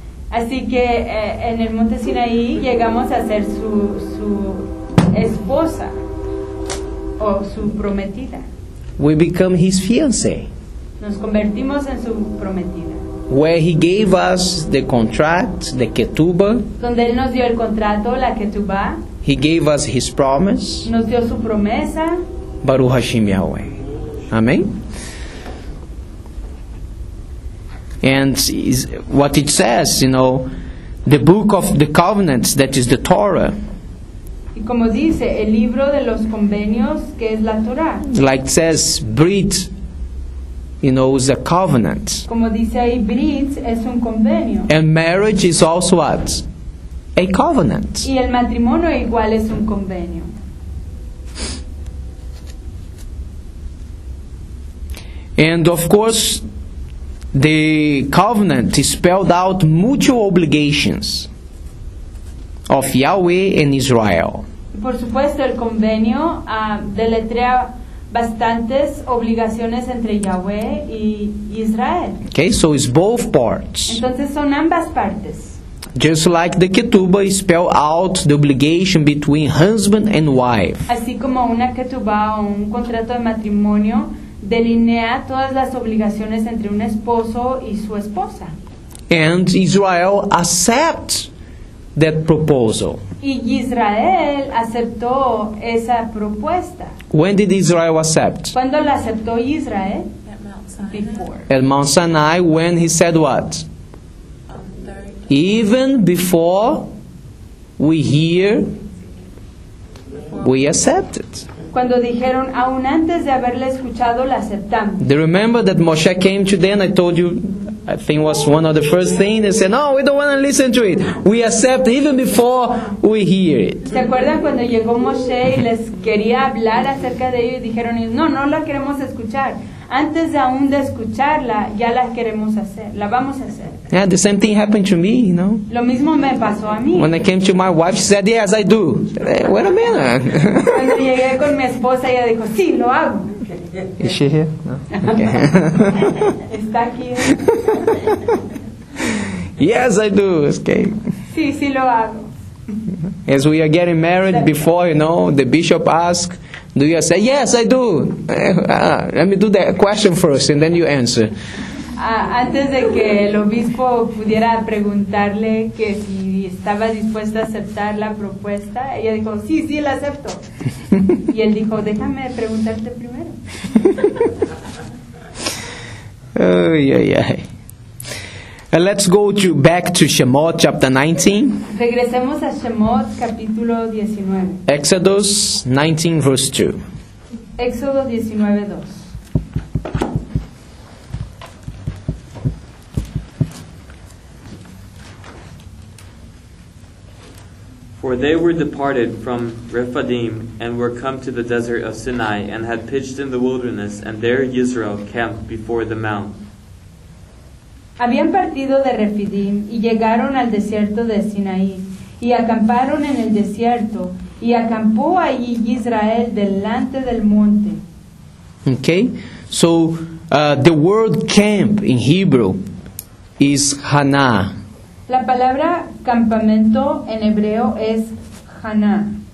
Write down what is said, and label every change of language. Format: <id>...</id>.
<es>así que en el Monte Sinaí llegamos a ser su esposa o su prometida.</es> <en>We become his fiancé.</en> <es>Nos convertimos en su prometida.</es> <en>Where he gave us the contract, the ketubah.</en> <es>Donde él nos dio el contrato, la ketubah.</es> <en>He gave us his promise.</en> <es>Nos dio su promesa.</es> <he>Baruch Hashem Yahweh. Amen.</he> <en>And what it says, you know, the book of the covenants, that is the Torah.</en> <es>Y como dice, el libro de los convenios, que es la Torah.</es> <en>Like it says, Brit. You know, it's a covenant.</en> <es>Como dice ahí, brit es un convenio.</es> <en>And marriage is also what? A covenant.</en> <es>Y el matrimonio igual es un convenio.</es> <en>And of course, the covenant is spelled out mutual obligations. of Yahweh and Israel.</en> <es>Por supuesto, el convenio deletrea bastantes obligaciones entre Yahweh y Israel.</es> <en>Okay, so it's both parts.</en> <es>Entonces son ambas partes.</es> <en>Just like the ketubah spell out the obligation between husband and wife.</en> <es>Así como una ketubah o un contrato de matrimonio delinea todas las obligaciones entre un esposo y su esposa.</es> <en>And Israel accept that proposal.</en> <es>Y Israel aceptó esa propuesta.</es> <en>When did Israel accept?</en> <es>¿Cuándo la aceptó Israel?</es> <en>At Mount Sinai. Before. At Mount Sinai, when he said what? Even before we hear, we accept it.</en> <es>Cuando dijeron, aún antes de haberle escuchado, la aceptamos.</es> <en>Do you remember that Moshe came to them? I told you, I think was one of the first things. They said, no, we don't want to listen to it. We accept even before we hear it.</en> <es>¿Se acuerdan cuando llegó Moshe y les quería hablar acerca de ello? Y dijeron, no, no la queremos escuchar. Antes de aún de escucharla, ya la queremos hacer. La vamos a hacer.</es> <en>Yeah, the same thing happened to me, you know.</en> <es>Lo mismo me pasó a mí.</es> <en>When I came to my wife, she said, yes, I do. Hey, wait a minute.</en> <es>Cuando llegué con mi esposa, ella dijo, sí, lo hago.</es> <en>Is she here? No. Okay.</en> <es>Está aquí.</es> <en>Yes, I do. Okay.</en> <es>Sí, sí, lo hago.</es> <en>As we are getting married before, you know, the bishop asks, do you say, yes, I do. Let me do that question first, and then you answer.</en> <es>Antes de que el obispo pudiera preguntarle que si estaba dispuesta a aceptar la propuesta, ella dijo, sí, sí, la acepto. Y él dijo, déjame preguntarte primero. Ay, ay, ay.</es> <en>Let's go to back to Shemot chapter 19.</en> <es>Regresemos a Shemot capítulo 19.</es> <en>Exodus 19 verse 2.</en> <es>Éxodo 19:2.</es> <en>For they were departed from Rephidim and were come to the desert of Sinai and had pitched in the wilderness, and there Israel camped before the mount.</en> <es>Habían partido de Refidim y llegaron al desierto de Sinaí y acamparon en el desierto y acampó allí Israel delante del monte.</es> <en>Okay, so the word camp in Hebrew is Haná.</en> <es>La palabra campamento en hebreo es Haná.</es>